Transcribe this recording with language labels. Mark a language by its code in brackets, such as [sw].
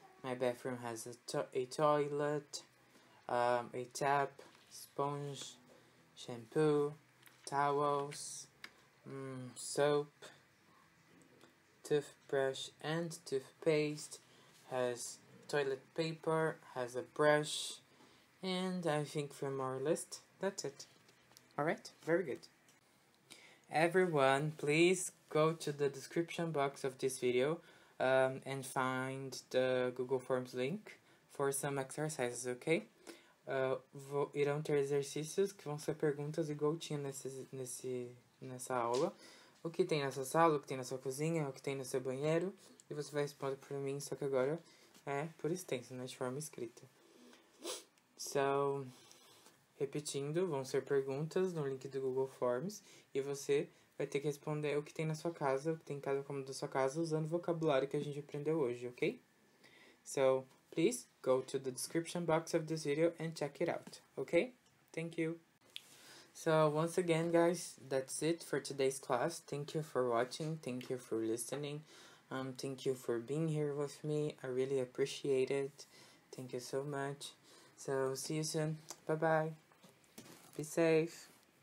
[en] My bathroom has a toilet, a tap, sponge, shampoo, towels, soap, toothbrush and toothpaste, has toilet paper, has a brush, and I think from our list, that's it. Alright, very good. Everyone, please go to the description box of this video and find the Google Forms link for some exercises, okay? [pt] Irão ter exercícios que vão ser perguntas igual tinha nessa aula. O que tem nessa sala, o que tem na sua cozinha, o que tem no seu banheiro, e você vai responder para mim, só que agora... É, por extenso, né, de forma escrita. So, repetindo, vão ser perguntas no link do Google Forms e você vai ter que responder o que tem na sua casa, o que tem em cada cômodo da sua casa, usando o vocabulário que a gente aprendeu hoje, ok? [en] So, please go to the description box of this video and check it out, ok? Thank you. So, once again, guys, that's it for today's class. Thank you for watching, thank you for listening. Thank you for being here with me. I really appreciate it. Thank you so much. So, see you soon. Bye-bye. Be safe.